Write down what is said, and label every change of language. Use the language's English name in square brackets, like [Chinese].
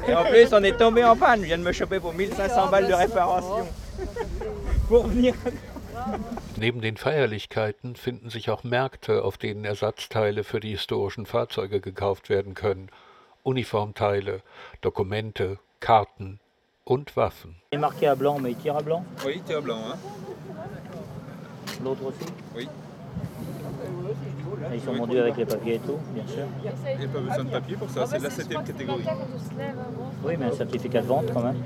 [French] Et en plus, on est tombé en panne. Je viens de me choper pour 1500 balles de réparation. Pour venir. [German] Neben den Feierlichkeiten finden sich auch Märkte, auf denen Ersatzteile für die historischen Fahrzeuge gekauft werden können. Uniformteile, Dokumente, Karten und Waffen. [French] Il est marqué à blanc, mais il tire à blanc? Oui, il tire à blanc, hein. L'autre aussi? Oui. Ils sont vendus avec les papiers et tout, bien sûr. Il n'y a pas besoin de papier pour ça, c'est de la 7e catégorie. Oui, mais un certificat de vente quand même.